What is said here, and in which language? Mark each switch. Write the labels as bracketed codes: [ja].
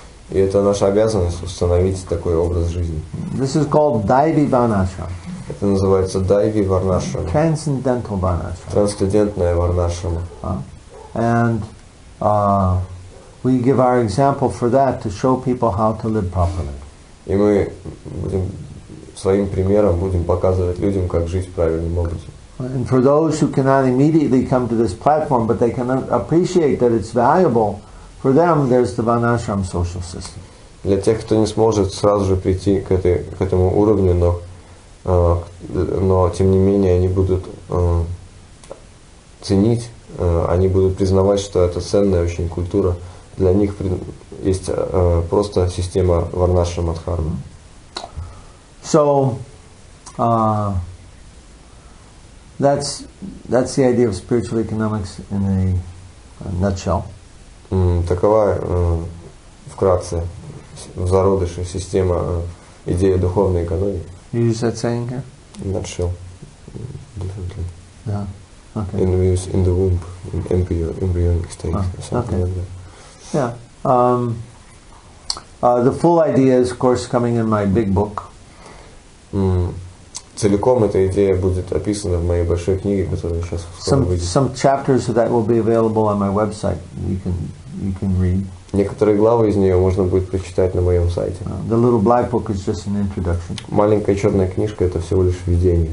[ru] И это наша обязанность установить такой образ жизни. [en] This is called Daivi Varnashram. [ru] Это называется Daivi Varnashram. [en] Transcendental Varnashram. [ru] Трансцендентная Варнашрам. [en] And we give our example for that to show people how to live properly. [ru] И мы будем своим примером будем показывать людям, как жить правильным образом. [en] And for those who cannot immediately come to this platform, but they can appreciate that it's valuable. For them, there's the Varnashram social system. [ru] Для тех, кто не сможет сразу же прийти к этому уровню, но тем не менее они будут ценить, они будут признавать, что это ценная очень культура. Для них есть просто система Варнашрама Дхармы. [en] So that's the idea of spiritual economics in a nutshell. [ru] Такова вкратце в зародыше система идеи духовной экономии. [en] You use that saying here? In that shell, differently. Yeah. Okay. In the womb, in embryonic state, something like that. Yeah. The full idea is, of course, coming in my big book. [ru] Целиком эта идея будет описана в моей большой книге, которая сейчас скоро выйдет. [en] Some chapters of that will be available on my website. You can read. [ru] Некоторые главы из нее можно будет прочитать на моем сайте. [en] The little black book is just an introduction. [ru] Маленькая черная книжка — это всего лишь введение.